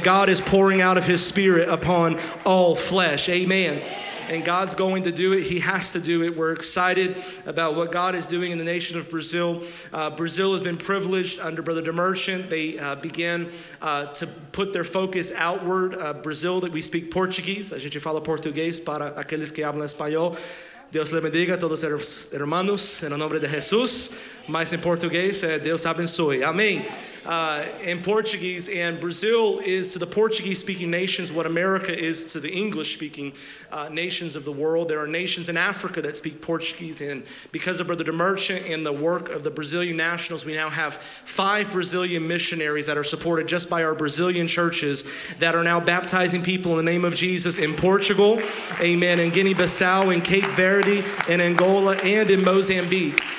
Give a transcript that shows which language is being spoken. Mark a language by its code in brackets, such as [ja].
[en] God is pouring out of his spirit upon all flesh. Amen. And God's going to do it. He has to do it. We're excited about what God is doing in the nation of Brazil. Brazil has been privileged under Brother DeMerchant. They began to put their focus outward. Brazil, that we speak Portuguese. [pt] A gente fala português para aqueles que hablan espanhol. Deus le bendiga a todos os hermanos em nome de Jesus. Mas em português, Deus abençoe. Amém. [en] In Portuguese, and Brazil is to the Portuguese-speaking nations what America is to the English-speaking nations of the world. There are nations in Africa that speak Portuguese, and because of Brother DeMerchant and the work of the Brazilian nationals, we now have 5 Brazilian missionaries that are supported just by our Brazilian churches that are now baptizing people in the name of Jesus in Portugal, amen, in Guinea-Bissau, in Cape Verde, in Angola, and in Mozambique.